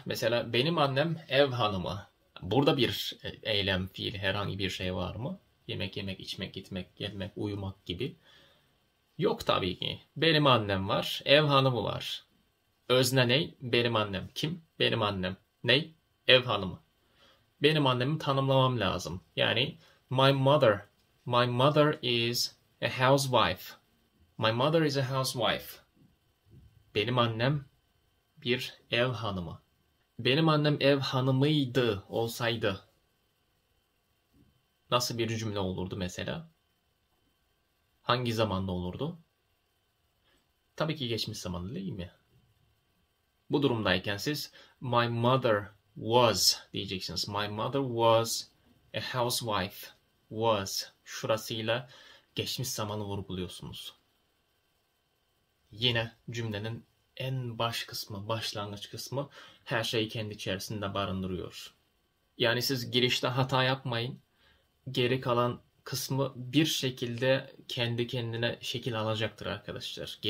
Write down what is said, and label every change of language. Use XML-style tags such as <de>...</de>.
<tr>Mesela benim annem ev hanımı. Burada bir eylem, fiil, herhangi bir şey var mı? Yemek yemek, içmek, gitmek, gelmek, uyumak gibi. Yok tabii ki. Benim annem var, ev hanımı var. Özne ne? Benim annem. Kim? Benim annem. Ne? Ev hanımı. Benim annemi tanımlamam lazım. Yani</tr> <en>My mother is a housewife. My mother is a housewife.</en> <tr>Benim annem bir ev hanımı. Benim annem ev hanımıydı olsaydı nasıl bir cümle olurdu mesela? Hangi zamanda olurdu? Tabii ki geçmiş zamanda değil mi? Bu durumdayken siz</tr> <en>my mother was</en> <tr>diyeceksiniz.</tr> <en>My mother was a housewife.</en> <tr>Was şurasıyla geçmiş zamanı vurguluyorsunuz. Yine cümlenin en baş kısmı, başlangıç kısmı her şeyi kendi içerisinde barındırıyor. Yani siz girişte hata yapmayın. Geri kalan kısmı bir şekilde kendi kendine şekil alacaktır arkadaşlar.</tr>